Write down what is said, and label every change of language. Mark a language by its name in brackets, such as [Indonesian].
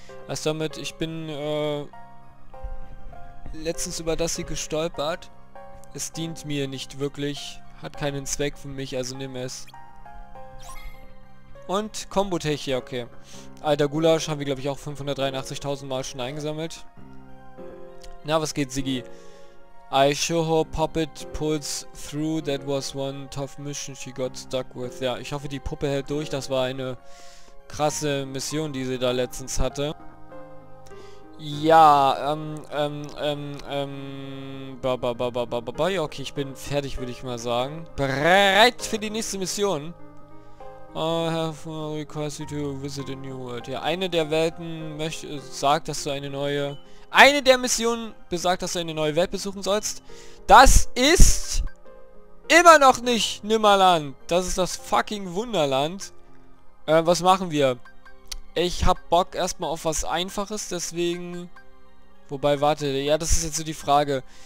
[German] Also damit, ich bin letztens über das hier gestolpert. Es dient mir nicht wirklich, hat keinen Zweck für mich, also nimm es. Und Kombo-Tech hier, okay. Alter Gulasch haben wir, glaube ich, auch 583.000 Mal schon eingesammelt. Na, was geht, Sigi? [English] I sure hope Puppet pulls through, that was one tough mission she got stuck with. [German] Ja, ich hoffe, die Puppe hält durch, das war eine krasse Mission, die sie da letztens hatte. Ja, okay, ich bin fertig, würde ich mal sagen. Bereit für die nächste Mission. [English] I have requested to visit a new world. [German] Ja, eine der Welten sagt, dass du eine neue... Eine der Missionen besagt, dass du eine neue Welt besuchen sollst. Das ist immer noch nicht Nimmerland. Das ist das fucking Wunderland. Was machen wir? Ich hab Bock erstmal auf was Einfaches, deswegen... Wobei, warte, ja, das ist jetzt so die Frage.